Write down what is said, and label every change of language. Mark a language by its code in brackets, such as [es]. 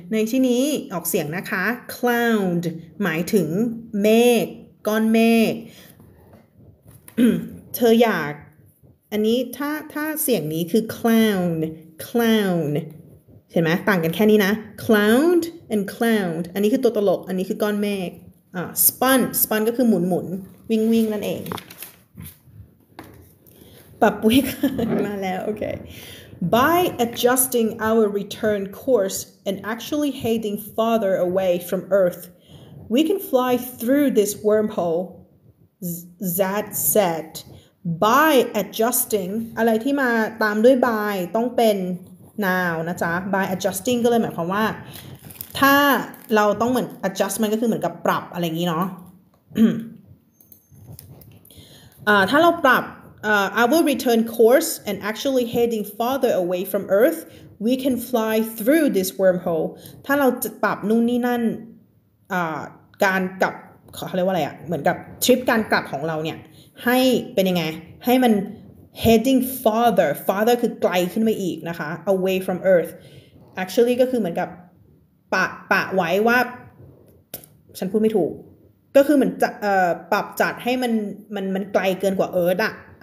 [th] ในที่นี้ออกเสียงนะคะ Cloud หมายถึงเมฆก้อนเมฆเธออยากอันนี้ถ้าเสียงนี้คือ clown เห็นไหมต่างกันแค่นี้นะ [en] cloud and clown [th] อันนี้คือตัวตลกอันนี้คือก้อนเมฆspun ก็คือหมุนวิ่งนั่นเองปับปุ้ยมาแล้วโอเค [en] by adjusting our return course and actually heading farther away from earthWe can fly through this wormhole, Zad said. By adjusting, [th] อะไรที่มาตามด้วย by ต้องเป็น now นะจ๊ะ by adjusting ก็เลยหมายความว่าถ้าเราต้องเหมือน adjustment ก็คือเหมือนกับปรับอะไรอย่างนี้เนาะ ถ้าเราปรับ [en] our return course and actually heading farther away from Earth, we can fly through this wormhole. [th] ถ้าเราปรับนู่นนี่นั่นการกลับ เขาเรียกว่าอะไรอ่ะเหมือนกับทริปการกลับของเราเนี่ยให้เป็นยังไงให้มัน [en] heading farther farther [th] คือไกลขึ้นไปอีกนะคะ [en] away from earth [th] actually ก็คือเหมือนกับปะไว้ว่าฉันพูดไม่ถูกก็คือเหมือนจะปรับจัดให้มันไกลเกินกว่า earth อ่ะ